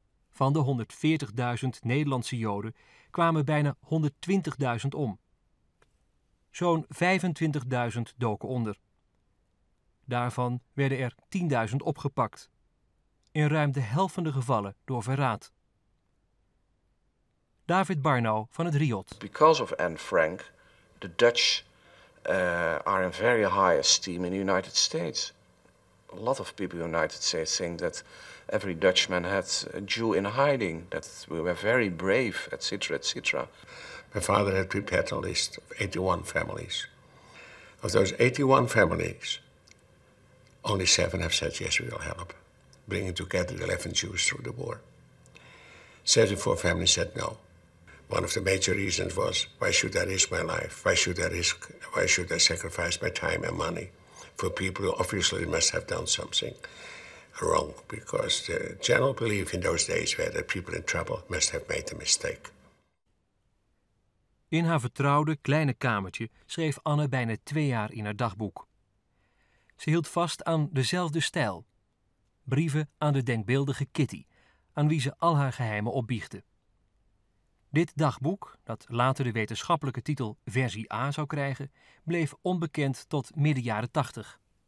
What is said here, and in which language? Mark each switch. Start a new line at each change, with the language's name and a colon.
Dutch: Van de 140.000 Nederlandse Joden kwamen bijna 120.000 om. Zo'n 25.000 doken onder. Daarvan werden er 10.000 opgepakt. In ruim de helft van de gevallen door verraad. David Barnau van het RIOT.
English: Because of Anne Frank, the Dutch are in very high esteem in the United States. A lot of people in the United States think that every Dutchman had a Jew in hiding, that we were very brave, etc., etc. My father had prepared a list of 81 families. Of those 81 families, only 7 have said, yes, we will help, bringing together the 11 Jews through the war. 34 families said no. One of the major reasons was, why should I risk my life? Why should I sacrifice my time and money for people who obviously must have done something wrong? Because the general belief in those days was that people in trouble must have made a mistake.
Dutch: In haar vertrouwde kleine kamertje schreef Anne bijna 2 jaar in haar dagboek. Ze hield vast aan dezelfde stijl. Brieven aan de denkbeeldige Kitty, aan wie ze al haar geheimen opbiechtte. Dit dagboek, dat later de wetenschappelijke titel Versie A zou krijgen, bleef onbekend tot midden jaren 80.